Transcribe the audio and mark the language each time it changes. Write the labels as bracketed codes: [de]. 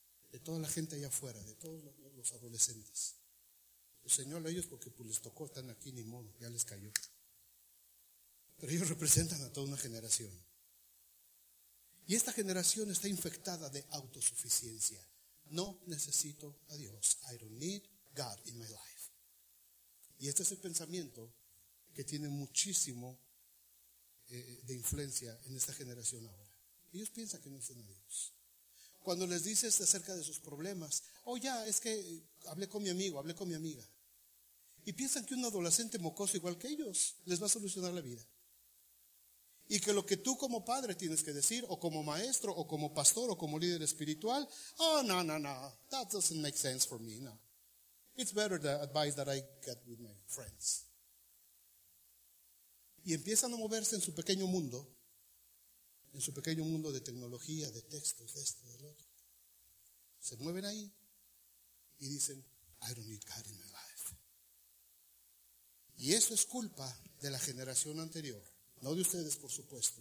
[es] De toda la gente allá afuera, de todos los adolescentes. El Señor, a ellos, porque pues les tocó, están aquí, ni modo, ya les cayó. Pero ellos representan a toda una generación. Y esta generación está infectada de autosuficiencia. No necesito a Dios. [en] I don't need God in my life. [es] Y este es el pensamiento que tiene muchísimo de influencia en esta generación ahora. Ellos piensan que no necesitan a Dios. Cuando les dices acerca de sus problemas, es que hablé con mi amigo, hablé con mi amiga. Y piensan que un adolescente mocoso igual que ellos les va a solucionar la vida. Y que lo que tú como padre tienes que decir, o como maestro, o como pastor, o como líder espiritual, no, [en] that doesn't make sense for me, [es] no. [en] It's better the advice that I get with my friends. [es] Y empiezan a moverse en su pequeño mundo de tecnología, de textos, de esto, del otro. Se mueven ahí y dicen, [en] I don't need God in my life. [es] Y eso es culpa de la generación anterior. No de ustedes, por supuesto.